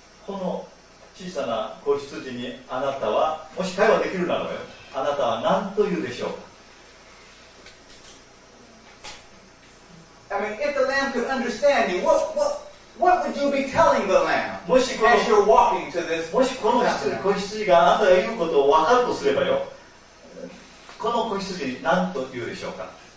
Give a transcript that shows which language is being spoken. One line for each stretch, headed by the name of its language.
Japanese: この小さな子羊にあなたはもし会話できるならばよ、あなたは何と言うでしょうか。
English: I mean, if the lamb could understand you, what would you be telling the lamb as you're walking to this?
Japanese: もしこの子羊があなたが言うことを分かるとすればよ、この子羊に何と言うでしょうか。